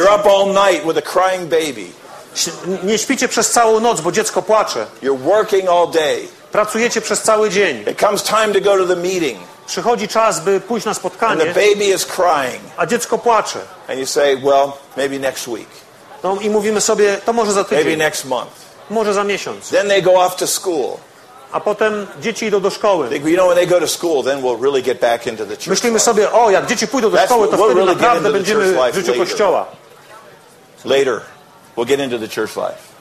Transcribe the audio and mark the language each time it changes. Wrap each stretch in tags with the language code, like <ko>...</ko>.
<en>You're up all night with a crying baby.</en> <pl>Nie śpicie przez całą noc, bo dziecko płacze.</pl> <en>You're working all day.</en> <pl>Pracujecie przez cały dzień.</pl> <en>It comes time to go to the meeting.</en> <pl>Przychodzi czas, by pójść na spotkanie.</pl> <en>And the baby is crying.</en> <pl>A dziecko płacze.</pl> <en>And you say, well, maybe next week.</en> <pl>No i mówimy sobie, to może za tydzień.</pl> <en>Maybe next month.</en> <pl>Może za miesiąc.</pl> <en>Then they go off to school.</en> <pl>A potem dzieci idą do szkoły.</pl> <en>Think, you know, when they go to school, then we'll really get back into the church.</en> <pl>Myślimy sobie, o, jak dzieci pójdą do szkoły, to wtedy</pl> <en>really</en> <pl>naprawdę będziemy w życiu kościoła.</pl> <en>Later, we'll get into the church life.</en>